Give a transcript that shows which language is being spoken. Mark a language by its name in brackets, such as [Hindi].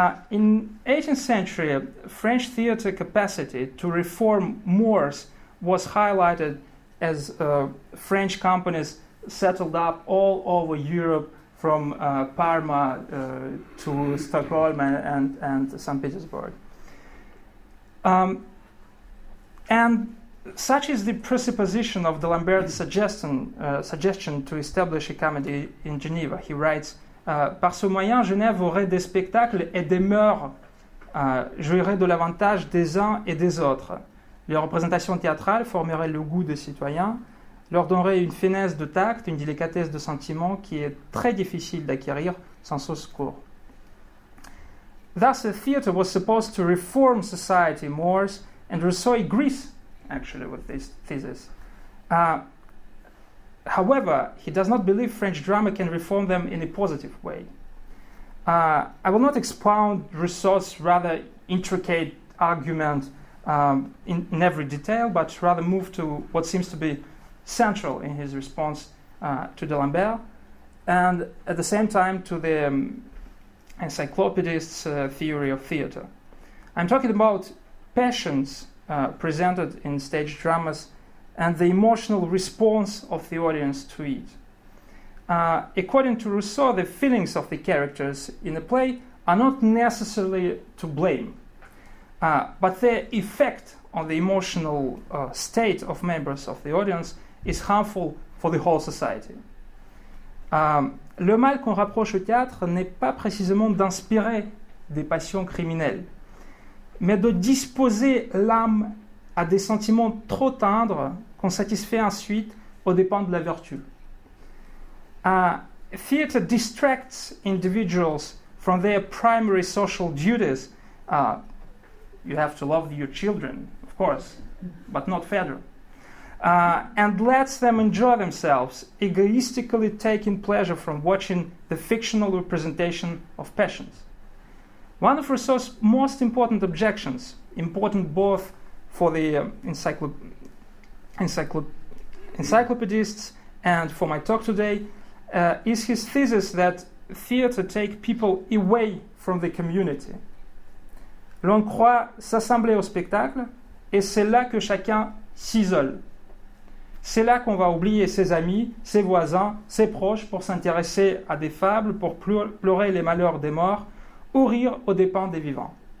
[English] In 18th century, French theater capacity to reform mores was highlighted as French companies settled up all over Europe from Parma to Stockholm and St. Petersburg. And such is the presupposition of D'Alembert's suggestion to establish a comedy in Geneva. [French] He writes, "Par ce moyen, Genève aurait des spectacles et des mœurs, jouirait de l'avantage des uns et des autres. Les représentations théâtrales formeraient le goût des citoyens, leur donneraient une finesse de tact, une délicatesse de sentiment qui est très difficile d'acquérir sans ce secours. [English] Thus, the theater was supposed to reform society mores, and Rousseau agrees, actually, with this thesis. However, he does not believe French drama can reform them in a positive way. I will not expound Rousseau's rather intricate argument in every detail, but rather move to what seems to be central in his response to D'Alembert, and at the same time to the encyclopedist's theory of theater. I'm talking about passions presented in stage dramas and the emotional response of the audience to it. According to Rousseau, the feelings of the characters in a play are not necessarily to blame, but their effect on the emotional state of members of the audience is harmful for the whole society. [French] Le mal qu'on rapproche au théâtre n'est pas précisément d'inspirer des passions criminelles, mais de disposer l'âme à des sentiments trop tendres qu'on satisfait ensuite aux dépens de la vertu. [English] Theater distracts individuals from their primary social duties. You have to love your children, of course, but not further. And lets them enjoy themselves, egoistically taking pleasure from watching the fictional representation of passions. One of Rousseau's most important objections, important both for the encyclopedists and for my talk today, is his thesis that theater take people away from the community. [French] L'on croit s'assembler au spectacle, et c'est là que chacun s'isole. C'est là qu'on va oublier ses amis, ses voisins, ses proches pour s'intéresser à des fables, pour pleurer les malheurs des morts, ou rire aux dépens des vivants.